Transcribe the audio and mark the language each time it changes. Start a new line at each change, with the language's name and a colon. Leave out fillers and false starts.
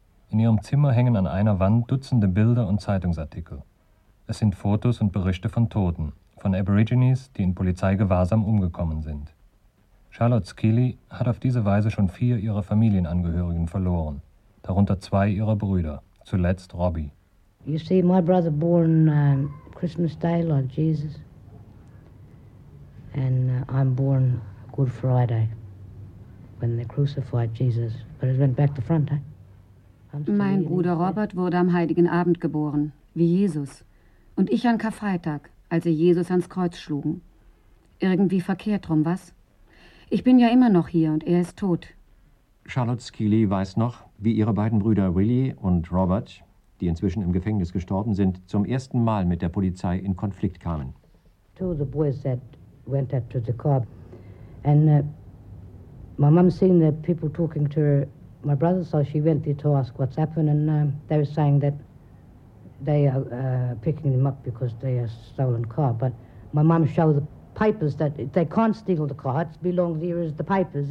German: In ihrem Zimmer hängen an einer Wand Dutzende Bilder und Zeitungsartikel. Es sind Fotos und Berichte von Toten, von Aborigines, die in Polizeigewahrsam umgekommen sind. Charlotte Skilly hat auf diese Weise schon 4 ihrer Familienangehörigen verloren, darunter 2 ihrer Brüder, zuletzt Robbie.
English: You see, my brother born Christmas Day, Lord Jesus. And I'm born Good Friday, when they crucified Jesus. But it went back to front, eh?
German: Mein Bruder Robert wurde am Heiligen Abend geboren, wie Jesus. Und ich an Karfreitag, als sie Jesus ans Kreuz schlugen. Irgendwie verkehrt rum, was? Ich bin ja immer noch hier und er ist tot. Charlotte Skilly weiß noch, wie ihre beiden Brüder Willie und Robert, die inzwischen im Gefängnis gestorben sind, zum ersten Mal mit der Polizei in Konflikt kamen.
English: Two of the boys that went up to the car. And my mum seen the people talking to her, my brother, so she went there to ask what's happened. And they were saying that they are picking them up because they are stolen car. But my mum showed the papers that they can't steal the car. It belongs here as the papers.